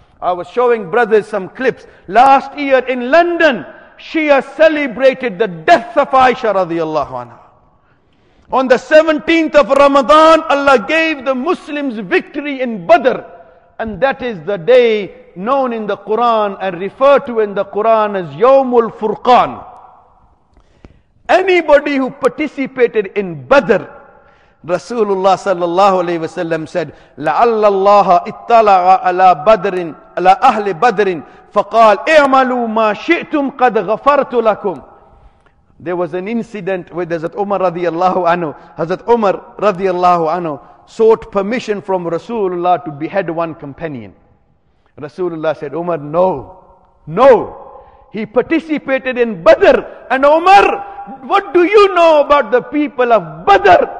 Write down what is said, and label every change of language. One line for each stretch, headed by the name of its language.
English: I was showing brothers some clips. Last year in London, Shia celebrated the death of Aisha radiallahu anha. On the 17th of Ramadan, Allah gave the Muslims victory in Badr. And that is the day known in the Quran and referred to in the Quran as Yawmul Furqan. Anybody who participated in Badr, Rasulullah sallallahu alayhi wa sallam said,
Arabic: لَعَلَّ اللَّهَ اِطَّلَعَ عَلَىٰ بَدْرٍ عَلَىٰ أَهْلِ بَدْرٍ فَقَالَ اِعْمَلُوا مَا شِئْتُمْ قَدْ غَفَرْتُ لَكُمْ.
English: There was an incident with Hazrat Umar radiallahu anhu. Hazrat Umar radiallahu anhu sought permission from Rasulullah to behead one companion. Rasulullah said, Umar, no, no. He participated in Badr. And Umar, what do you know about the people of Badr?